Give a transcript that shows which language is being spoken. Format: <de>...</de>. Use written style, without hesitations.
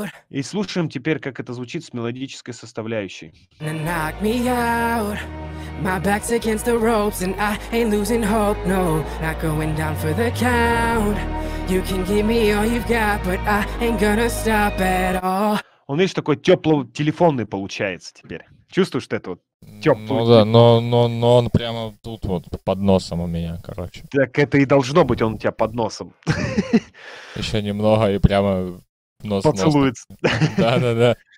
<ru>И слушаем теперь, как это звучит с мелодической составляющей.</ru> <en>Knock me out. My back's against the ropes and I ain't losing hope, no. Not going down for the count. You can give me all you've got, but I ain't gonna stop at all.</en> <ru>Он, видишь, такой тепло-телефонный получается теперь. Чувствуешь, что это вот тепло? Ну да, но он прямо тут вот под носом у меня, короче. Так это и должно быть, он у тебя под носом. Еще немного и прямо нос поцелуется. Да-да-да.</ru>